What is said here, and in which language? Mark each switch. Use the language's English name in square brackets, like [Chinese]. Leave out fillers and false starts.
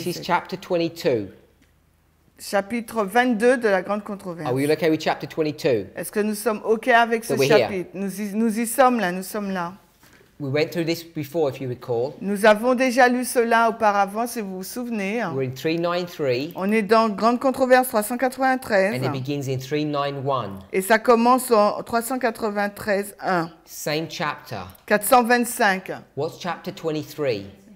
[English] This is chapter 22. [French] Chapitre 22 de la Grande Controverse. [English] Are we okay with chapter 22? [French] Est-ce que nous sommes OK avec ce chapitre? Nous y sommes là, nous sommes là. [English] We went through this before, if you recall. [French] Nous avons déjà lu cela auparavant, si vous vous souvenez. [English] We're in 393. [French] On est dans Grande Controverse 393. [English] And it begins in 391. [French] Et ça commence en 393.1. [English] Same chapter. 425. What's chapter 23?